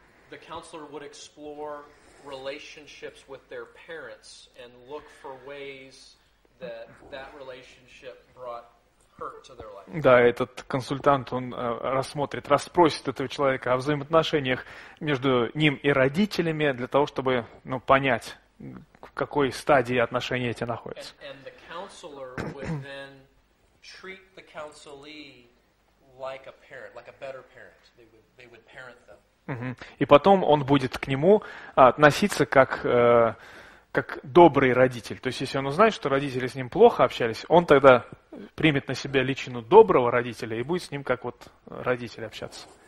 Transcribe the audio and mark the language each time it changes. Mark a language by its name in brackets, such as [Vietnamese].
[English] The counselor would explore relationships with their parents and look for ways that that relationship brought hurt to their life. [Russian] Да, этот консультант, он рассмотрит, расспросит этого человека о взаимоотношениях между ним и родителями для того, чтобы, ну, понять, в какой стадии отношения эти находятся. [English] And the counselor would then treat the counselee like a parent, like a better parent. They would parent them. [Russian] И потом он будет к нему относиться как добрый родитель. То есть, если он узнает, что родители с ним плохо общались, он тогда примет на себя личину доброго родителя и будет с ним как вот родитель общаться.